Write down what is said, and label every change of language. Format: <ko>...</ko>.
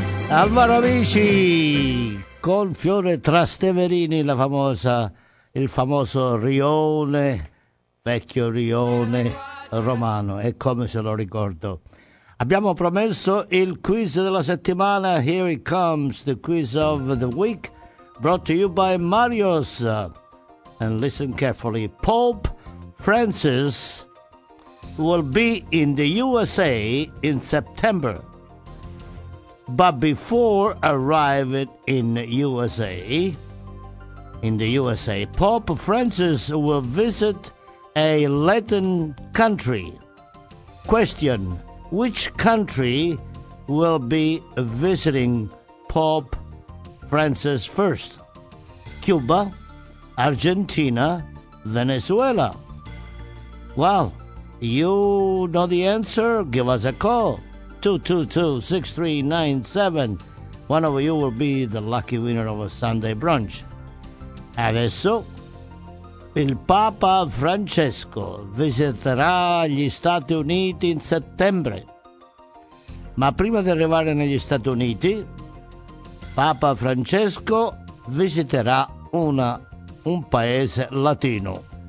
<it>Alvaro Amici con Fiore Trasteverini, la famosa, il famoso rione, vecchio rione romano, e come se lo ricordo. Abbiamo promesso il quiz della settimana,</it> <en>here it comes, the quiz of the week, brought to you by Marios, and listen carefully, Pope Francis will be in the USA in September, but before arriving in USA, Pope Francis will visit a Latin country. Question: which country will be visiting Pope Francis first? Cuba, Argentina, Venezuela. Well, you know the answer, give us a call. 222-6397. One of you will be the lucky winner of a Sunday brunch.</en> <it>Adesso, il Papa Francesco visiterà gli Stati Uniti in settembre. Ma prima di arrivare negli Stati Uniti, Papa Francesco visiterà un paese latino.</it>